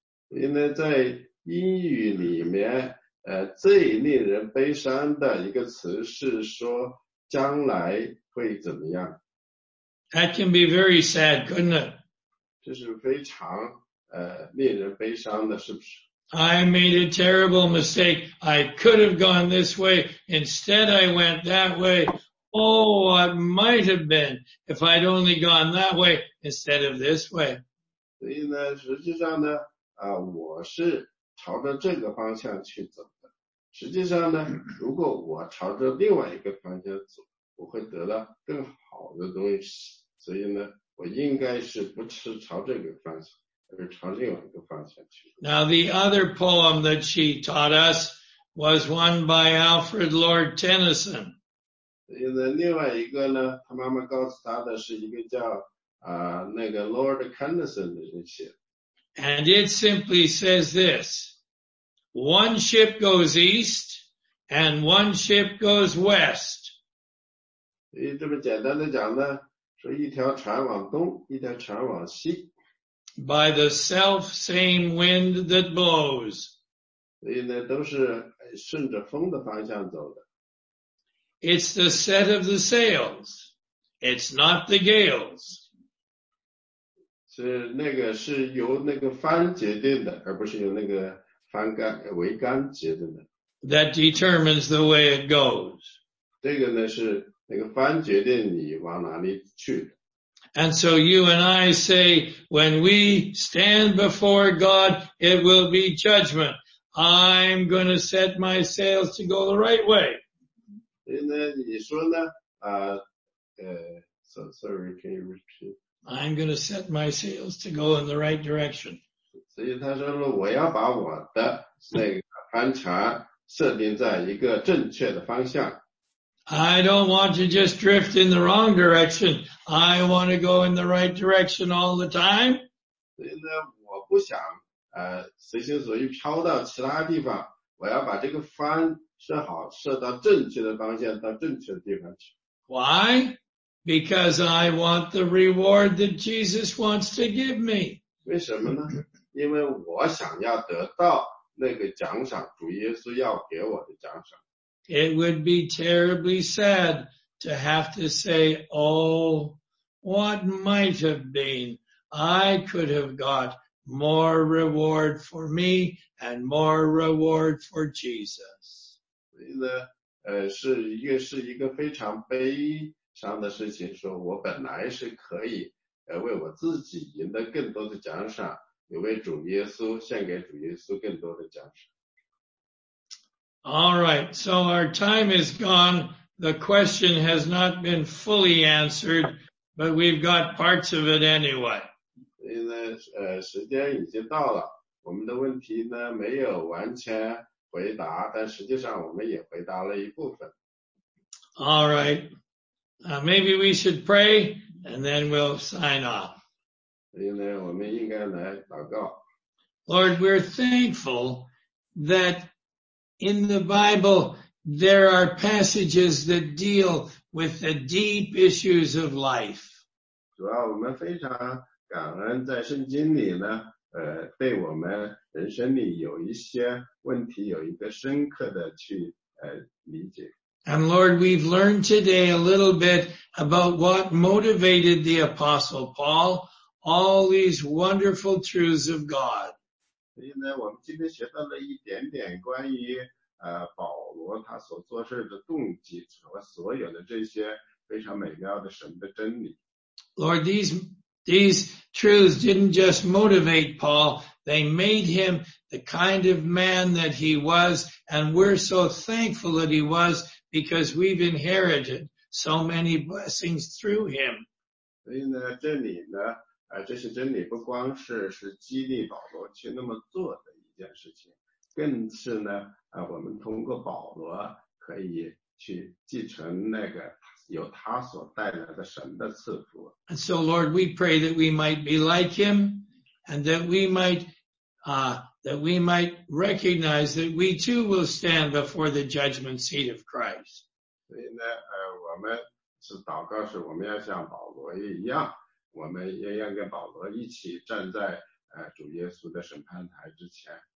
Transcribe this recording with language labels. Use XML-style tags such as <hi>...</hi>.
<zh>因为在英语里面最令人悲伤的一个词是说将来会怎么样。</zh> <en>That can be very sad, couldn't it?</en> <zh>这是非常令人悲伤的，是不是？</zh> <en>I made a terrible mistake. I could have gone this way. Instead, I went that way. oh, I might have been if I'd only gone that way instead of this way.</en> <zh>所以呢，实际上呢，啊，我是朝着这个方向去走的。实际上呢，如果我朝着另外一个方向走，我会得到更好的东西。所以呢，我应该是不是朝这个方向，而是朝另外一个方向去。</zh> <en>Now the other poem that she taught us was one by Alfred Lord Tennyson.</en> <zh>所以呢，另外一个呢，他妈妈告诉他的是一个叫那个 Lord Tennyson 的人写。</zh> <en>And it simply says this, one ship goes east and one ship goes west.</en> <zh>所以这么简单的讲呢，说一条船往东，一条船往西。</zh> <en>By the self same wind that blows.</en> <zh>所以呢，都是顺着风的方向走的。</zh> <en>It's the set of the sails. It's not the gales.</en> <zh>是那个是由那个帆决定的，而不是由那个帆杆桅杆决定的。</zh> <en>That determines the way it goes.</en> <zh>这个呢是那个帆决定你往哪里去的。</zh> <en>And so you and I say, when we stand before God, it will be judgment. I'm going to set my sails to go the right way.</en> <zh>所以呢，你说呢？</zh> <en>sorry, can you repeat? I'm going to set my sails to go in the right direction.</en> <zh>所以他说我要把我的那个帆船设定在一个正确的方向。</zh> <en>I don't want to just drift in the wrong direction. I want to go in the right direction all the time.</en> <zh>所以呢，我不想随心所欲飘到其他地方。我要把这个帆设好，设到正确的方向，到正确的地方去。</zh> <en>Why? Because I want the reward that Jesus wants to give me.</en> <zh>为什么呢？因为我想要得到那个奖赏，主耶稣要给我的奖赏。</zh> <en>It would be terribly sad to have to say, oh, what might have been? I could have got more reward for me and more reward for Jesus.</en> <zh>所以呢，是一个非常悲上的事情，说我本来是可以为我自己赢得更多的奖赏，也为主耶稣献给主耶稣更多的奖赏。</zh> <en>All right, so our time is gone. The question has not been fully answered, but we've got parts of it anyway.</en> <zh>所以呢，时间已经到了，我们的问题呢没有完全回答，但实际上我们也回答了一部分。</zh> <en>All right. Maybe we should pray and then we'll sign off.</en> <zh>所以呢，我们应该来祷告。</zh> <en>Lord, we're thankful that in the Bible there are passages that deal with the deep issues of life.</en> <zh>主要我们非常感恩在圣经里呢，对我们人生里有一些问题有一个深刻的去理解。</zh> <en>And Lord, we've learned today a little bit about what motivated the Apostle Paul, all these wonderful truths of God.</en> <zh>所以呢，我们今天学到了一点点关于保罗他所做事的动机和所有的这些非常美妙的神的真理。</zh> <en>Lord, these truths didn't just motivate Paul, they made him the kind of man that he was, and we're so thankful that he was. Because we've inherited so many blessings through him.</en> <zh>所以呢，这里呢，这些真理不光是激励保罗去那么做的一件事情，更是呢，我们通过保罗可以去继承那个由他所带来的神的赐福。</zh> <en>And so, Lord, we pray that we might be like him, and that we might, that we might recognize that we too will stand before the judgment seat of Christ.</en> <zh>所以呢，我们是祷告，是我们要像保罗一样，我们也要跟保罗一起站在主耶稣的审判台之前。</zh>